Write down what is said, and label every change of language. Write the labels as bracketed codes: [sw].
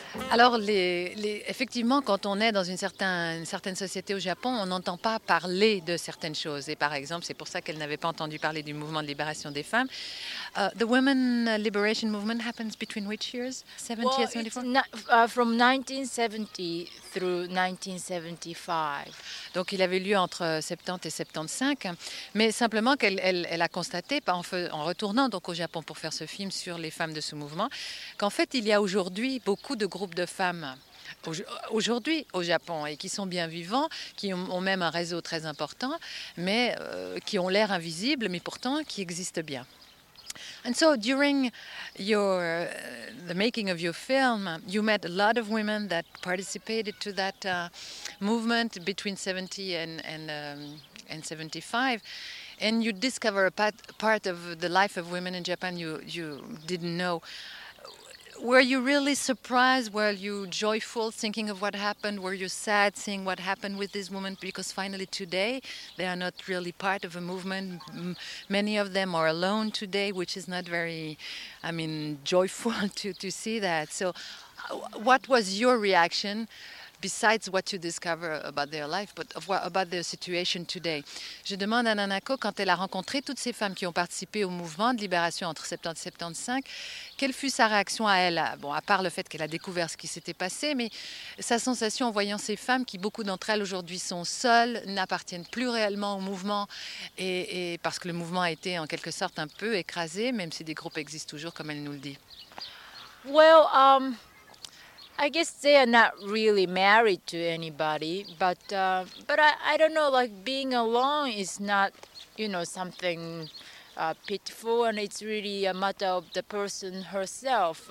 [fr] Alors, effectivement, quand on est dans une certaine société au Japon, on n'entend pas parler de certaines choses. Et par exemple, c'est pour ça qu'elle n'avait pas entendu parler du mouvement de libération des femmes. [en] The Women Liberation Movement happens between which years? 70 or 74? From 1970 through 1975. [fr] Donc, il avait lieu entre 70 et 75. Mais simplement qu'elle a constaté, en retournant donc au Japon pour faire ce film sur les femmes de ce mouvement, qu'en fait, il y a aujourd'hui beaucoup de groupes de femmes aujourd'hui au Japon et qui sont bien vivants, qui ont même un réseau très important, mais qui ont l'air invisibles, mais pourtant qui existent bien. [en] And so during the making of your film, you met a lot of women that participated to that movement between 70 and 75. And you discover a part of the life of women in Japan you didn't know. Were you really surprised? Were you joyful thinking of what happened? Were you sad seeing what happened with these women? Because finally today, they are not really part of a movement. Many of them are alone today, which is not very, joyful to see that. So what was your reaction, besides what you discover about their life, but about their situation today? [fr] Je demande à Nanako, quand elle a rencontré toutes ces femmes qui ont participé au mouvement de libération entre 70 et 75, quelle fut sa réaction à elle? Bon, à part le fait qu'elle a découvert ce qui s'était passé, mais sa sensation en voyant ces femmes, qui beaucoup d'entre elles aujourd'hui sont seules, n'appartiennent plus réellement au mouvement, et parce que le mouvement a été en quelque sorte un peu écrasé, même si des groupes existent toujours, comme elle nous le dit. [en] Well, I guess they are not really married to anybody, but I don't know, like being alone is not, something pitiful, and it's really a matter of the person herself.